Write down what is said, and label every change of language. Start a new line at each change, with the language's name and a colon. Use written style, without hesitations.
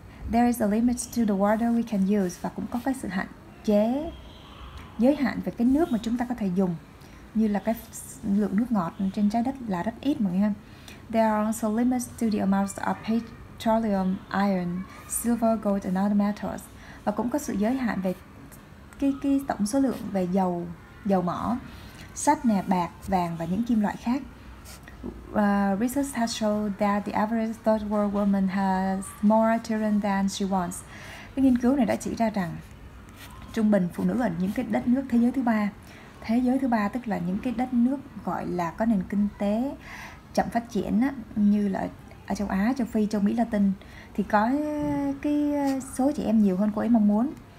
English: There is a limit to the water we can use
Vietnamese: và cũng có cái sự hạn chế giới hạn về cái nước mà chúng ta có thể dùng. Như là cái lượng nước ngọt trên trái đất là rất ít mọi người ha.
English: There are also limits to the amounts of petroleum, iron, silver, gold and other metals.
Vietnamese: Và cũng có sự giới hạn về cái tổng số lượng về dầu mỏ, sắt nè, bạc, vàng và những kim loại khác.
English: Research has shown that the average third world woman has more children than she wants.
Vietnamese: Cái nghiên cứu này đã chỉ ra rằng trung bình phụ nữ ở những cái đất nước thế giới thứ ba. Thế giới thứ ba tức là những cái đất nước gọi là có nền kinh tế chậm phát triển á, như là ở châu Á, châu Phi, châu Mỹ Latin thì có cái số trẻ em nhiều hơn cô ấy mong muốn.